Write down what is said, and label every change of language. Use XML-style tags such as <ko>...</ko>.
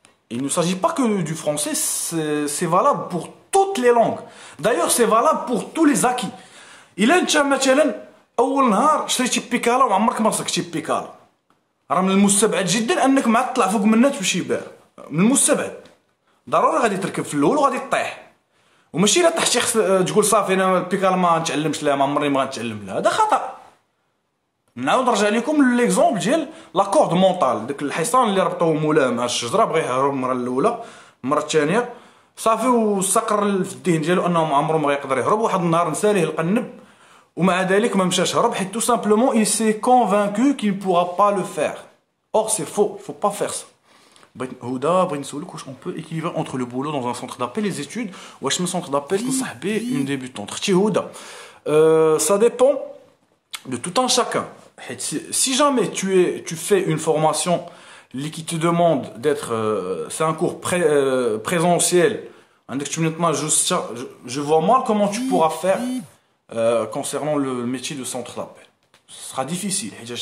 <fr>Il ne s'agit pas que du français, c'est valable pour toutes les langues. D'ailleurs, c'est valable pour tous les acquis. Il est un challenge.</fr> <ar>أول نهار شريت بيكالا وعمرك ما مسكت بيكالا راه من المستبعد جدا انك ما تطلع فوق منها تمشي بها من المستبعد ضروري غادي تركب في الاول وغادي تطيح وماشي الا طحتي تقول صافي انا بيكالا ما نتعلمش لها ما عمرني ما نتعلم لها هذا خطا نعاود نرجع لكم ليكزومبل ديال لاكورد مونطال داك الحصان اللي ربطوه مولاه مع الشجره بغى يهرب المره الاولى المره الثانيه صافي واستقر في الذهن ديالو انه ما عمره ما يقدر يهرب واحد النهار نساليه القنب ومع ذلك ما مشاش هرب حيت</ar> <fr>tout simplement il s'est convaincu qu'il ne pourra pas le faire. Or c'est faux, il faut pas faire ça.</fr> <ar>بغيت هدى بغيت نسولك واش</ar> <fr>on peut équilibrer entre le boulot dans un centre d'appel les études واش من centre d'appel تنصح به une débutante. اختي هدى ça dépend de tout un chacun. حيت si jamais tu fais une formation qui te demande d'être c'est un cours présentiel</fr> <ar>عندك تمنيت مع</ar> <fr>juste je vois mal comment tu pourras faire concernant le métier de centre d'appel. Ce sera difficile.</fr>